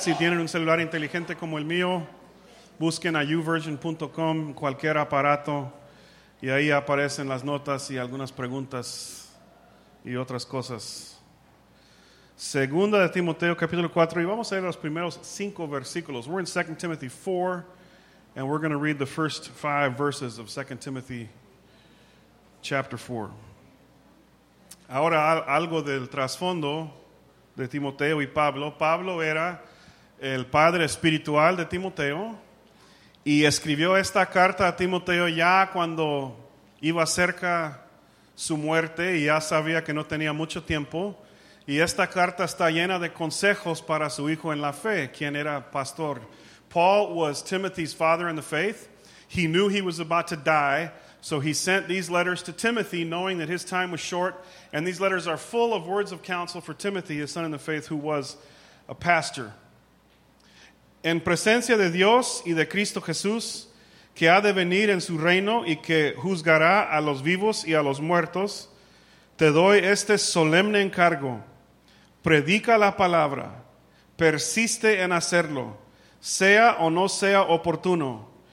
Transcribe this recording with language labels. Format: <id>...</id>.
<es>Si tienen un celular inteligente como el mío, busquen a youversion.com, cualquier aparato, y ahí aparecen las notas y algunas preguntas y otras cosas. 2 Timoteo capítulo 4, y vamos a leer los primeros 5 versículos.</es> <en>We're in 2 Timothy 4, and we're going to read the first 5 verses of 2 Timothy chapter 4.</en> <es>Ahora, algo del trasfondo de Timoteo y Pablo. Pablo era el padre espiritual de Timoteo y escribió esta carta a Timoteo ya cuando iba cerca su muerte y ya sabía que no tenía mucho tiempo. Y esta carta está llena de consejos para su hijo en la fe, quien era pastor.</es> <en>Paul was Timothy's father in the faith. He knew he was about to die, so he sent these letters to Timothy, knowing that his time was short. And these letters are full of words of counsel for Timothy, his son in the faith, who was a pastor.</en> <es>En presencia de Dios y de Cristo Jesús, que ha de venir en su reino y que juzgará a los vivos y a los muertos, te doy este solemne encargo. Predica la palabra. Persiste en hacerlo, sea o no sea oportuno.</es>